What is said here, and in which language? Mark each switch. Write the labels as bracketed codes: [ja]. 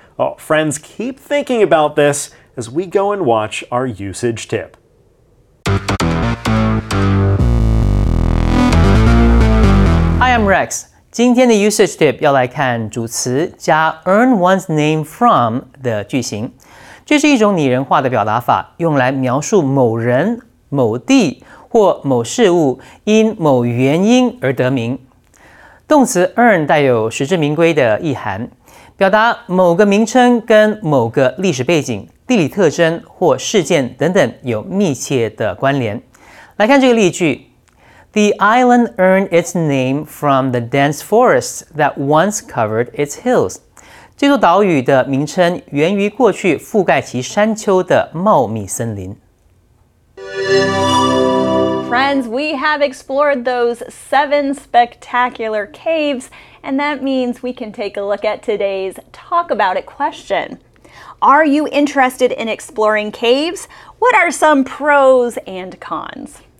[en] Oh, friends, keep thinking about this as we go and watch our usage tip. Hi, I'm Rex. [zh] 今天的 usage tip 要来看主词加 earn one's name from 的句型。这是一种拟人化的表达法，用来描述某人、某地或某事物因某原因而得名。动词 earn 带有实至名归的意涵，表达某个名称跟某个历史背景、地理特征或事件等等有密切的关联。来看这个例句。 [en] The island earned its name from the dense forests that once covered its hills. [zh] 这座岛屿的名称源于过去覆盖其山丘的茂密森林。 [en] Friends, we have explored those 7 spectacular caves, and that means we can take a look at today's Talk About It question. Are you interested in exploring caves? What are some pros and cons?